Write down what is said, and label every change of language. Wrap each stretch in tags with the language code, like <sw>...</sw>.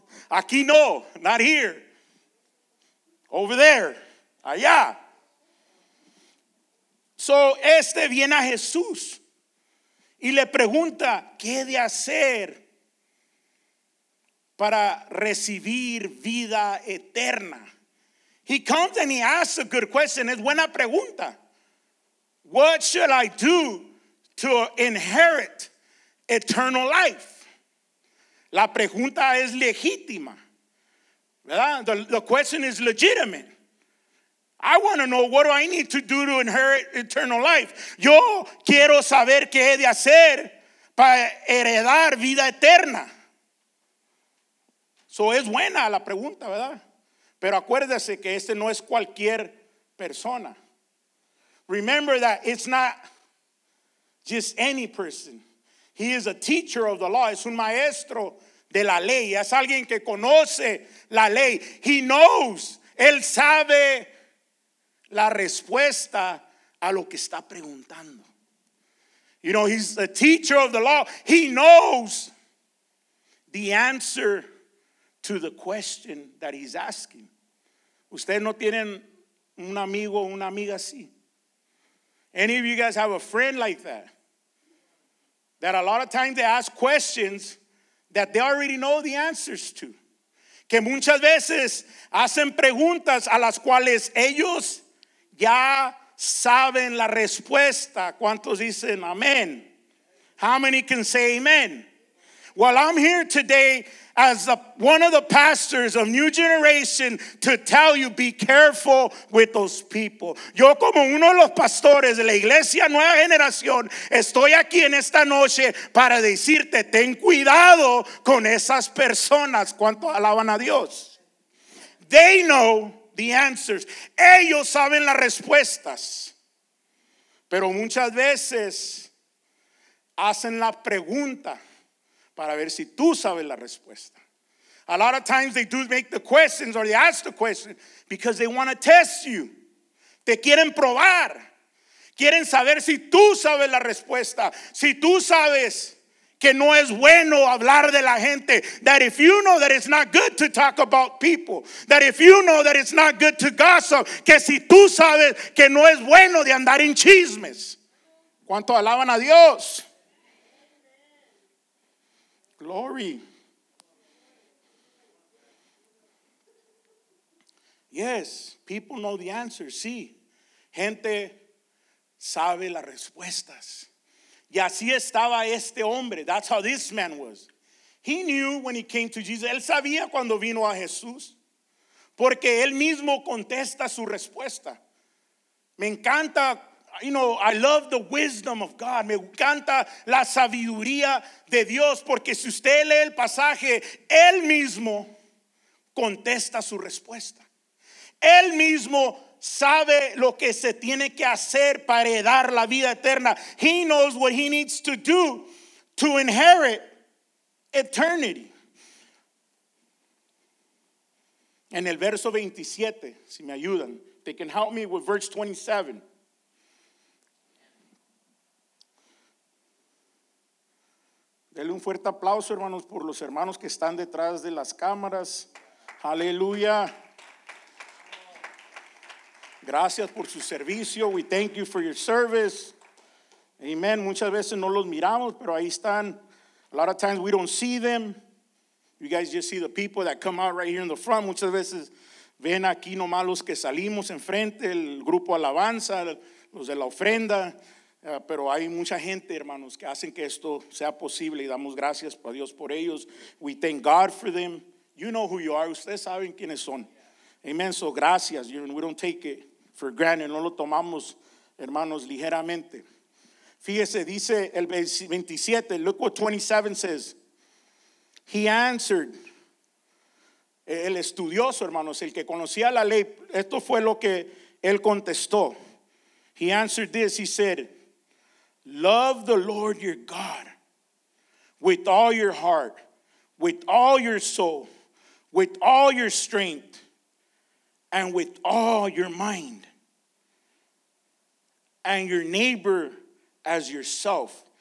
<es>Aquí no.</es> <en>Not here. Over there.</en> <es>Allá. So este viene a Jesús y le pregunta, ¿qué de hacer para recibir vida eterna?</es> <en>He comes and he asks a good question.</en> <es>Es buena pregunta.</es> <en>What should I do to inherit eternal life?</en> <es>La pregunta es legítima, ¿verdad?</es> <en>The question is legitimate. I want to know, what do I need to do to inherit eternal life?</en> <es>Yo quiero saber qué he de hacer para heredar vida eterna. So es buena la pregunta, ¿verdad? Pero acuérdese que este no es cualquier persona.</es> <en>Remember that it's not just any person. He is a teacher of the law.</en> <es>Es un maestro de la ley. Es alguien que conoce la ley.</es> <en>He knows.</en> <es>Él sabe la respuesta a lo que está preguntando.</es> <en>You know, he's a teacher of the law. He knows the answer to the question that he's asking.</en> <es>Ustedes no tienen un amigo o una amiga así.</es> <en>Any of you guys have a friend like that? That a lot of times they ask questions that they already know the answers to.</en> <es>Que muchas veces hacen preguntas a las cuales ellos ya saben la respuesta. ¿Cuántos dicen amén?</es> <en>How many can say amen? Well, I'm here today as one of the pastors of New Generation to tell you, be careful with those people.</en> <es>Yo como uno de los pastores de la iglesia Nueva Generación, estoy aquí en esta noche para decirte, ten cuidado con esas personas. ¿Cuánto alaban a Dios?</es> <en>They know the answers.</en> <es>Ellos saben las respuestas. Pero muchas veces hacen la pregunta para ver si tú sabes la respuesta.</es> <en>A lot of times they do make the questions or they ask the question because they want to test you.</en> <es>Te quieren probar. Quieren saber si tú sabes la respuesta. Si tú sabes que no es bueno hablar de la gente.</es> <en>That if you know that it's not good to talk about people. That if you know that it's not good to gossip.</en> <es>Que si tú sabes que no es bueno de andar en chismes. ¿Cuánto alaban a Dios?</es> <en>Glory. Yes, people know the answers.</en> <es>Sí, gente sabe las respuestas. Y así estaba este hombre.</es> <en>That's how this man was. He knew when he came to Jesus.</en> <es>Él sabía cuando vino a Jesús. Porque él mismo contesta su respuesta. Me encanta,</es> <en>you know, I love the wisdom of God.</en> <es>Me encanta la sabiduría de Dios. Porque si usted lee el pasaje, él mismo contesta su respuesta. Él mismo sabe lo que se tiene que hacer para heredar la vida eterna.</es> <en>He knows what he needs to do to inherit eternity.</en> <es>En el verso 27, si me ayudan,</es> <en>they can help me with verse 27.</en> <es>Denle un fuerte aplauso, hermanos, por los hermanos que están detrás de las cámaras. Aleluya. Gracias por su servicio.</es> <en>We thank you for your service. Amen.</en> <es>Muchas veces no los miramos, pero ahí están.</es> <en>A lot of times we don't see them. You guys just see the people that come out right here in the front.</en> <es>Muchas veces ven aquí nomás los que salimos enfrente, el grupo alabanza, los de la ofrenda. Pero hay mucha gente, hermanos, que hacen que esto sea posible. Y damos gracias a Dios por ellos.</es> <en>We thank God for them. You know who you are.</en> <es>Ustedes saben quiénes son. Amen. So gracias.</es> <en>We don't take it for granted.</en> <es>No lo tomamos, hermanos, ligeramente. Fíjese, dice el 27.</es> <en>Look what 27 says. He answered.</en> <es>El estudioso, hermanos, el que conocía la ley. Esto fue lo que él contestó.</es> <en>He answered this. He said, love the Lord your God with all your heart, with all your soul, with all your strength, and with all your mind, and your neighbor as yourself.</en>